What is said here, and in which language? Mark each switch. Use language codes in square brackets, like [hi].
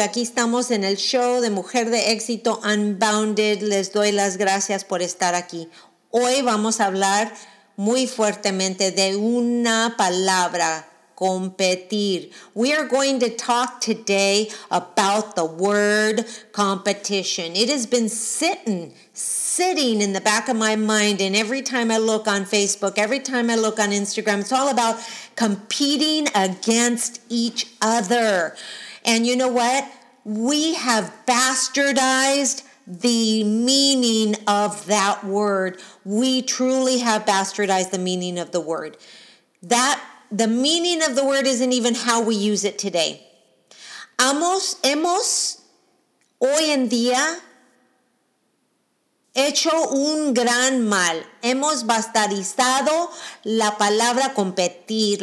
[es] Aquí estamos en el show de Mujer de Éxito Unbounded. Les doy las gracias por estar aquí. Hoy vamos a hablar muy fuertemente de una palabra. Competir. [en] We are going to talk today about the word competition. It has been sitting in the back of my mind, and every time I look on Facebook, every time I look on Instagram, it's all about competing against each other. And you know what? We have bastardized the meaning of that word. We truly have bastardized the meaning of the word. The meaning of the word isn't even how we use it today. [es] Hemos hoy en día hecho un gran mal. Hemos bastardizado la palabra competir.